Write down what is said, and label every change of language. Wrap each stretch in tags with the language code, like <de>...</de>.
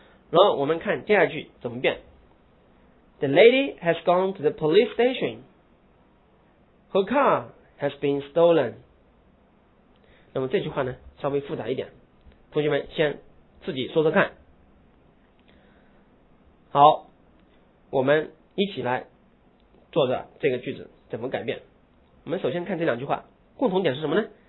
<zh>然后我们看接下去怎么变。</zh> <en>The lady has gone to the police station. Her car has been stolen.</en> <zh>那么这句话呢，稍微复杂一点，同学们先自己说说看。好，我们一起来做着这个句子怎么改变。我们首先看这两句话共同点是什么呢？</zh>